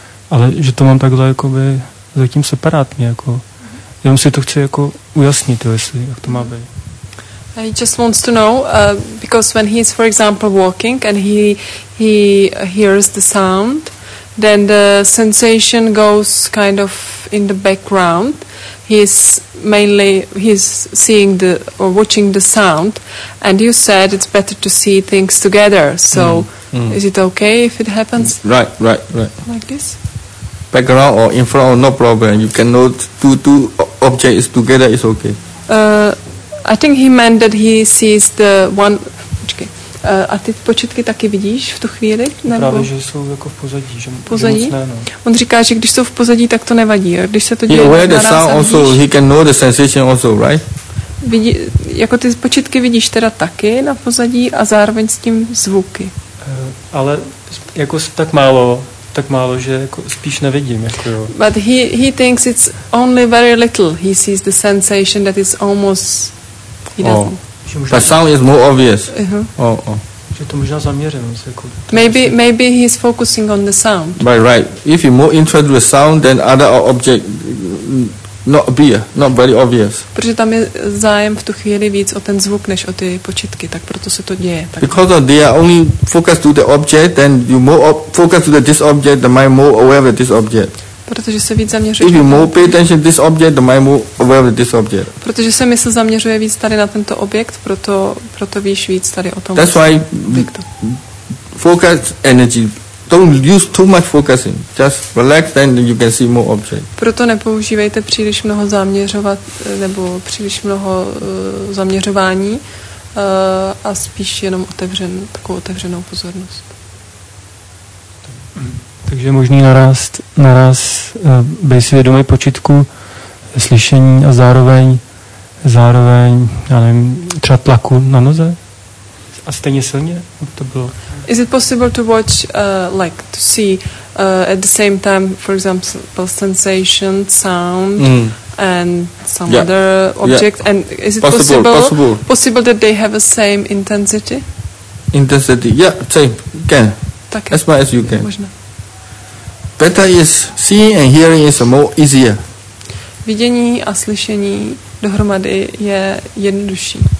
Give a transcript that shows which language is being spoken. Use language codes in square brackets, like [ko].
[cs] Ale že to mám takhle jakoby zatím separátně. Jako. Jenom si to chci jako ujasnit, jo, jestli, jak to má být. [en] He just wants to know because when he is, for example, walking and he hears the sound, then the sensation goes kind of in the background. He's mainly he's seeing the or watching the sound, and you said it's better to see things together. So, is it okay if it happens? Right. Like this. Background or in front, no problem. You can know two objects together is okay. I think he meant that he sees the one. [cs] Počkej, a ty početky taky vidíš v tu chvíli? Nebo? Právě, že jsou jako v pozadí. Že pozadí? Že moc ne, no. On říká, že když jsou v pozadí, tak to nevadí. Jo? Když se to děje, [en] yeah, the sound also, he can know the sensation also, right? [cs] Vidí, jako ty početky vidíš teda taky na pozadí a zároveň s tím zvuky. Ale jako tak málo. Tak málo, že jako spíš nevidím. Jako jo. [en] But he thinks it's only very little. He sees the sensation that it's almost... Oh. The sound is more obvious. Uh-huh. [cs] Že to možná zaměřenost. Jako, [en] maybe he's focusing on the sound. Right. If you're more interested in the sound, then other object not very obvious. [cs] Protože tam je zájem v tu chvíli víc o ten zvuk, než o ty počítky, tak proto se to děje. Tak [en] because of they are only focused to the object, then you more focus to this object, the mind more aware of this object. [cs] Protože se víc zaměřuje. [en] If you more pay attention to this object, the mind more aware of this object. [cs] Protože se mysl zaměřuje víc tady na tento objekt, proto víš víc tady o tom. [en] That's why focus energy. Don't use too much focusing. Just relax, then you can see more objects. [cs] Proto nepoužívejte příliš mnoho zaměřovat nebo příliš mnoho zaměřování a spíš jenom otevřenou pozornost. Takže možný naraz bez vědomí počitku, slyšení a zároveň, já nevím, třeba tlaku na noze. A stejně silně, to bylo. [en] Is it possible to watch, like to see at the same time, for example, sensation, sound, and some other object? Yeah. And is it possible that they have the same intensity? Intensity, yeah, same, can. [cs] Také. [en] As much as you can. Možná. Better is seeing and hearing is more easier. [cs] Vidění a slyšení dohromady je jednodušší.